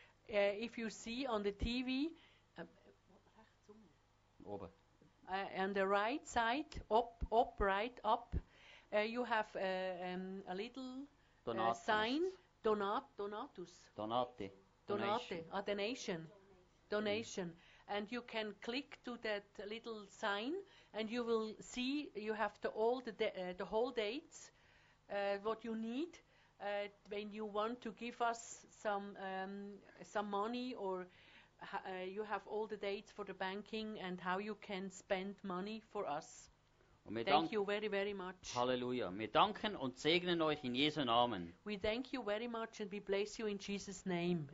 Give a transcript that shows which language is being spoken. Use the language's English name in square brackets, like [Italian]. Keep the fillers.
[English] uh, if you see on the TV, uh, uh, on the right side, up, up, right, up, uh, you have uh, um, a little uh, sign, donat, donatus. Donati. Donate. Donation. Donate, uh, a donation. Donation. Mm. And you can click to that little sign, and you will see you have the, all the, de- the whole dates, uh, what you need uh, when you want to give us some um, some money or ha- uh, you have all the dates for the banking and how you can spend money for us. Thank you very, very much. Hallelujah. [German] Wir danken und segnen euch in Jesu Namen. [English] We thank you very much and we bless you in Jesus' name.